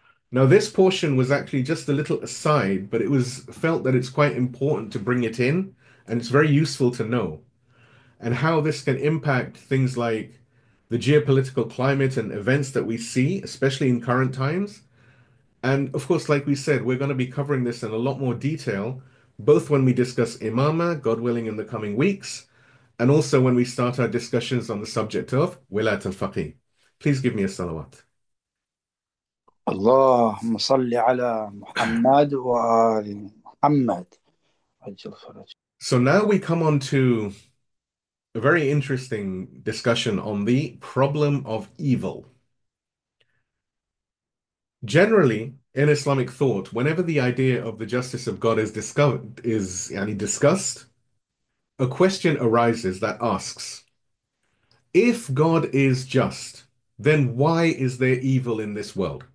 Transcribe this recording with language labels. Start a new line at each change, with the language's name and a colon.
English: Now, this portion was actually just a little aside, but it was felt that it's quite important to bring it in, and it's very useful to know, and how this can impact things like the geopolitical climate and events that we see, especially in current times. And of course, like we said, we're going to be covering this in a lot more detail, both when we discuss Imamah, God willing, in the coming weeks, and also when we start our discussions on the subject of Wilayat al-Faqih. Please give me a salawat.
Arabic: اللهم صل على محمد وآل محمد. عجل فرج.
English: So now we come on to a very interesting discussion on the problem of evil. Generally, in Islamic thought, whenever the idea of the justice of God is discussed, a question arises that asks, if God is just, then why is there evil in this world?